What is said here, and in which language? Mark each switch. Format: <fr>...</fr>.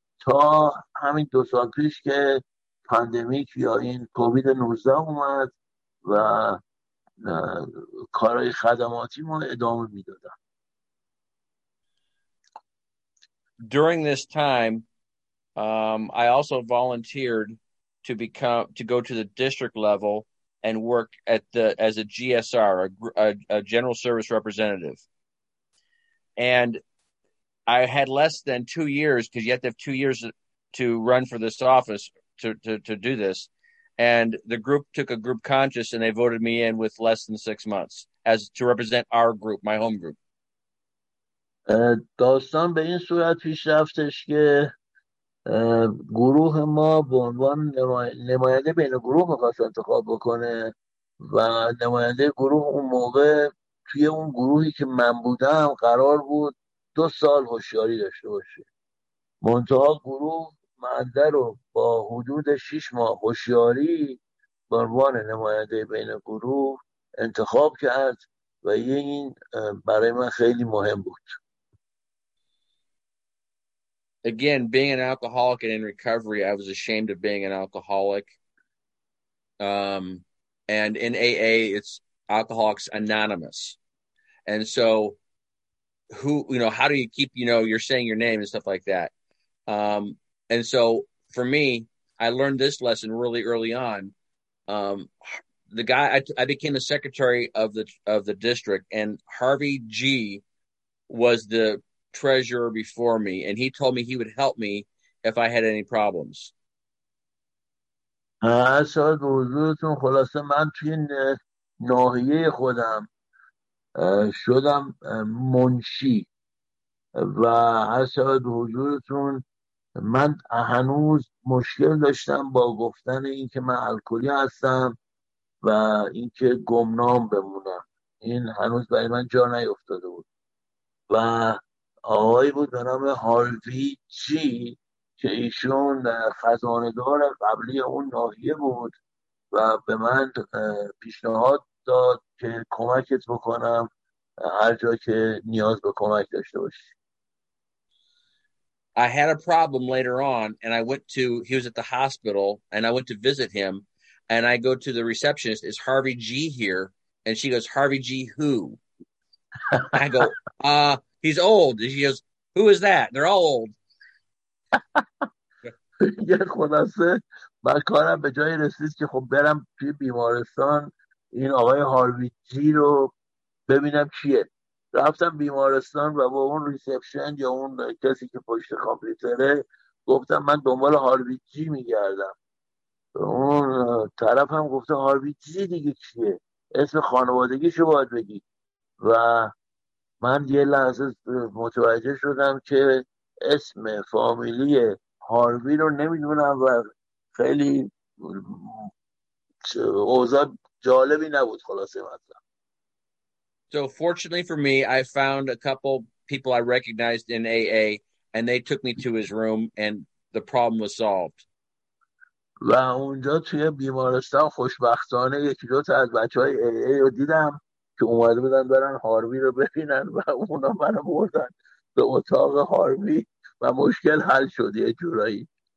<fa>تا همین 2 سال پیش که پاندمیک یا این کووید 19 اومد و کارهای خدماتی ما ادامه میدادم.</fa> <en>During this time, I also volunteered to become to go to the district level and work at the as a GSR, a general service representative. And I had less than 2 years, because you have to have 2 years to run for this office to do this. And the group took a group conscious and they voted me in with less than 6 months as to represent our group, my home group.</en> <fa>داستان به این صورت پیش رفتش که گروه ما به عنوان نماینده بین گروه میخواست انتخاب بکنه و نماینده گروه اون موقع توی اون گروهی که من بودم قرار بود 2 سال هوشیاری داشته باشه. منتها گروه منده رو با حدود 6 ماه هوشیاری به عنوان نماینده بین گروه انتخاب کرد و این برای من خیلی مهم بود.</fa> <en>Again, being an alcoholic and in recovery, I was ashamed of being an alcoholic. And in AA, it's Alcoholics Anonymous. And so, who, you know, how do you keep, you know, you're saying your name and stuff like that. And so, for me, I learned this lesson really early on. The guy, I became the secretary of the district, and Harvey G. was the treasurer before me, and he told me he would help me if I had any problems.</en> <fa>اصلا حضورتون خلاصه من توی ناحیه خودم شدم منشی و اصلا حضورتون من هنوز مشکل داشتم با گفتن اینکه من الکلی هستم و اینکه گمنام بمونم. این هنوز برای من جا نیفتاده بود و آقایی بود به نام هاروی جی که ایشون خزانه‌دار قبلی اون ناحیه بود و به من پیشنهاد داد که کمکت بکنم هر جا که نیاز به کمک داشته باشی.</fa> <en>I had a problem later on and I went to, he was at the hospital and I went to visit him and I go to the receptionist, is Harvey G here? And she goes, Harvey G who? I go, he's old. And she goes, who is that? They're all old.</en> <fa>یه خلاصه من کارم به جایی رسید که خب برم توی بیمارستان این آقای هاروی جی رو ببینم چیه. رفتم بیمارستان و با اون ریسپشن یا اون کسی که پشت کامپیوتره گفتم من دنبال هاروی جی میگردم. اون طرف هم گفته هاروی جی دیگه چیه؟ اسم خانوادگی شو باید بگی. و من یه لحظه متوجه شدم که اسم فامیلی هاروی رو نمیدونم و خیلی اوضاع جالبی نبود. خلاصه مطلب.</fa> <en>So fortunately for me, I found a couple people I recognized in AA and they took me to his room and the problem was solved.</en> <fa>و اونجا توی بیمارستان خوشبختانه یکی دو تا از بچه های AA رو دیدم که اومده بودن برن هاروی رو ببینن و اونا من رو بردن به اتاق هاروی و مشکل حل شد یه جورایی.</fa>